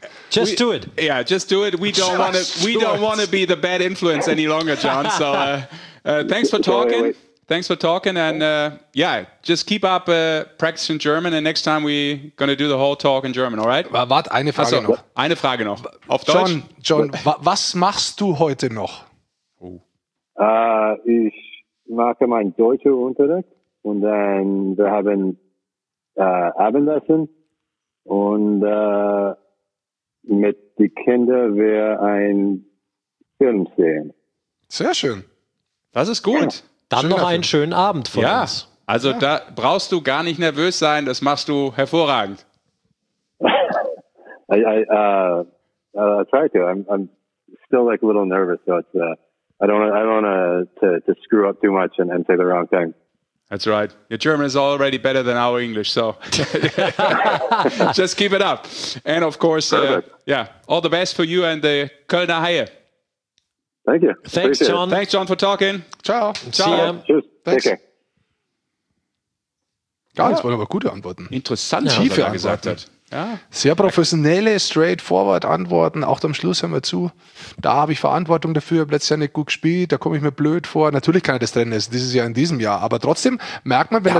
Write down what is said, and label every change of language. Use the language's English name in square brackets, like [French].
[English] Just do it. Yeah, just do it. We don't want to be the bad influence any longer, John. So thanks for talking. Thanks for talking. And yeah, just keep up practicing German. And next time we're going to do the whole talk in German, all right? [German] Warte, eine Frage noch. Eine Frage noch. Auf Deutsch. John, was machst du heute noch? Ich mache mein deutscher Unterricht. Und dann wir haben Abendessen. Und... mit die Kinder wir ein Film sehen. Sehr schön. Das ist gut. Ja. Dann noch einen schönen Abend von uns. Also da brauchst du gar nicht nervös sein, das machst du hervorragend. [English] I try to. I'm still like a little nervous, so it's I don't want to screw up too much and say the wrong thing. That's right. Your German is already better than our English, so just keep it up. And of course, all the best for you and the Kölner Haie. Thank you. Thanks, John. Thanks, John, for talking. Ciao. Ciao. See you. Thanks. Take care. [German] Ja, jetzt wollen aber gute Antworten. Interessant, ja, tiefe, was er gesagt hat. Ja. Sehr professionelle, straightforward Antworten. Auch am Schluss hören wir zu. Da habe ich Verantwortung dafür, habe letztes Jahr nicht gut gespielt, da komme ich mir blöd vor. Natürlich kann er das trennen, dieses Jahr in diesem Jahr. Aber trotzdem merkt man, wenn er